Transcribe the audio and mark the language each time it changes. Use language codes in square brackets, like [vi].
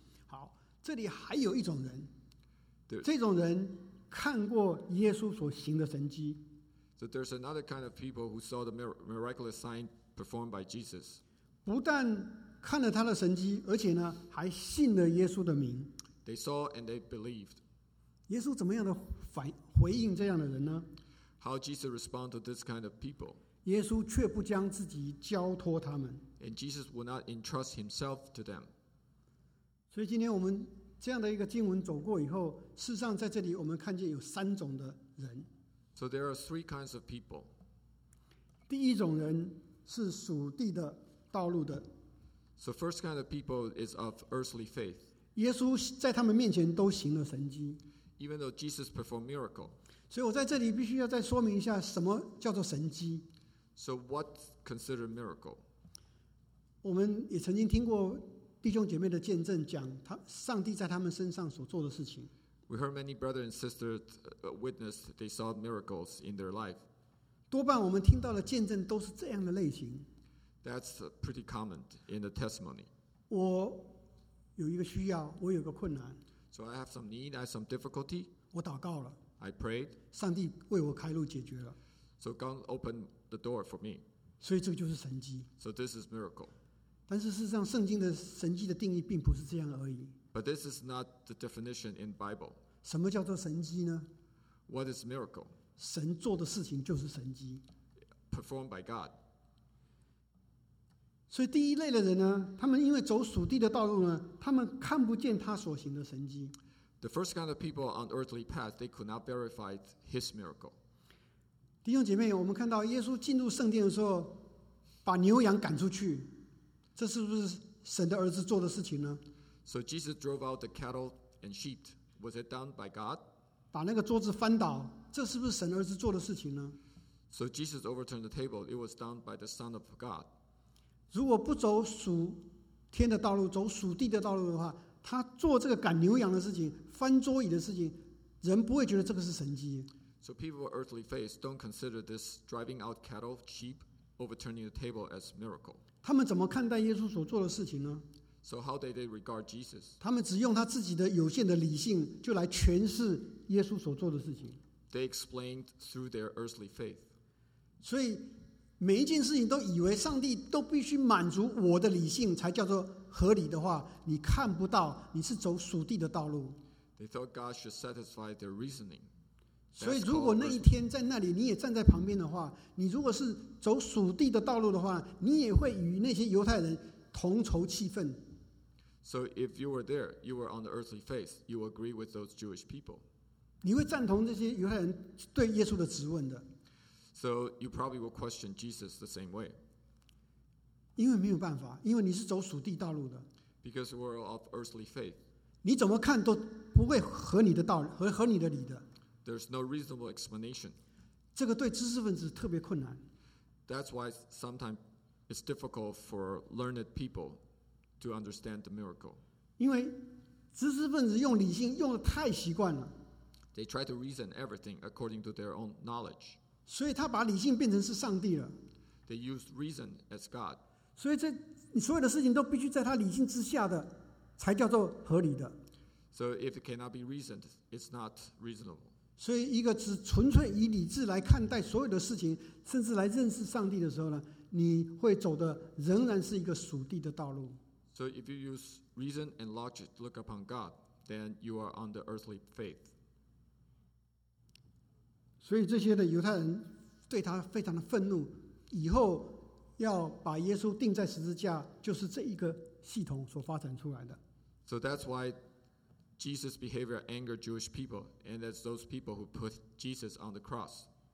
[zh] 好，这里还有一种人，这种人看过耶稣所行的神迹。 [en] So there's another kind of people who saw the miraculous sign performed by Jesus. [zh] 不但看了他的神迹，而且呢，还信了耶稣的名。 [en] They saw and they believed. [zh] 耶稣怎么样的回应这样的人呢？ [en] How Jesus respond to this kind of people? [zh] 耶稣却不将自己交托他们。 [en] And Jesus would not entrust himself to them. [zh] 所以今天我们这样的一个经文走过以后，事实上在这里我们看见有三种的人。 [en] So there are three kinds of people. [zh] 第一种人是属地的道路的。 [en] So first kind of people is of earthly faith. [zh] 耶稣在他们面前都行了神迹。 [en] Even though Jesus performed miracle. [zh] 所以我在这里必须要再说明一下什么叫做神迹。 [en] So what considered miracle? [zh] 我们也曾经听过弟兄姐妹的见证，讲他上帝在他们身上所做的事情。 [en] We heard many brothers and sisters witness they saw miracles in their life. [zh] 多半我们听到的见证都是这样的类型。 [en] That's pretty common in the testimony. [zh] 我有一个需要，我有个困难。 [en] So I have some need, I have some difficulty. [zh] 我祷告了， [en] I prayed. [zh] 上帝为我开路解决了。 [en] So God opened the door for me. [zh] 所以这就是神迹。 [en] So this is miracle. [zh] 但是事实上，圣经的神迹的定义并不是这样而已。 [en] But this is not the definition in Bible. [zh] 什么叫做神迹呢？ [en] What is miracle? [zh] 神做的事情就是神迹。 [en] Performed by God. [zh] 所以第一类的人呢，他们因为走属地的道路呢，他们看不见他所行的神迹。 [en] The first kind of people on earthly path, they could not verify his miracle. [zh] 弟兄姐妹，我们看到耶稣进入圣殿的时候，把牛羊赶出去，这是不是神的儿子做的事情呢？ [en] So Jesus drove out the cattle and sheep. Was it done by God? [zh] 把那个桌子翻倒，这是不是神儿子做的事情呢？ [en] So Jesus overturned the table. It was done by the Son of God. [zh] 如果不走属天的道路，走属地的道路的话，他做这个赶牛羊的事情，翻桌椅的事情，人不会觉得这个是神迹。 [en] So people with earthly faith don't consider this driving out cattle, sheep, overturning the table as miracle. [zh] 他们怎么看待耶稣所做的事情呢？ [en] So how did they regard Jesus? [zh] 他们只用他自己的有限的理性就来诠释耶稣所做的事情。 [en] They explained through their earthly faith. [zh] 所以每一件事情都以为上帝都必须满足我的理性才叫做合理的话，你看不到，你是走属地的道路。 [en] They thought God should satisfy their reasoning. [zh] 所以如果那一天在那里你也站在旁边的话，你如果是走属地的道路的话，你也会与那些犹太人同仇气愤。 [en] So if you were there, you were on the earthly faith, you agree with those Jewish people. [zh] 你会赞同这些犹太人对耶稣的质问的。 [en] So you probably will question Jesus the same way. [zh] 因为没有办法，因为你是走属地道路的。 [en] Because we're of earthly faith. [zh] 你怎么看都不会合你的道理，合你的理的。 [en] There's no reasonable explanation. [zh] 这个对知识分子特别困难。 [en] That's why sometimes it's difficult for learned people to understand the miracle. [zh] 因为知识分子用理性用得太习惯了。 [en] They try to reason everything according to their own knowledge. [zh] 所以他把理性变成是上帝了。 [en] They use reason as God. [zh] 所以这所有的事情都必须在他理性之下的才叫做合理的。 [en] So if it cannot be reasoned, it's not reasonable. [zh] 所以一个只纯粹以理智来看待所有的事情，甚至来认识上帝的时候呢，你会走的仍然是一个属地的道路。 [en] So if you use reason and logic to look upon God, then you are on the earthly faith. [zh] 所以这些的犹太人对他非常的愤怒，以后要把耶稣钉在十字架，就是这一个系统所发展出来的。 [en] So that's why Jesus' behavior angered Jewish people, and that's those people who put Jesus on the cross.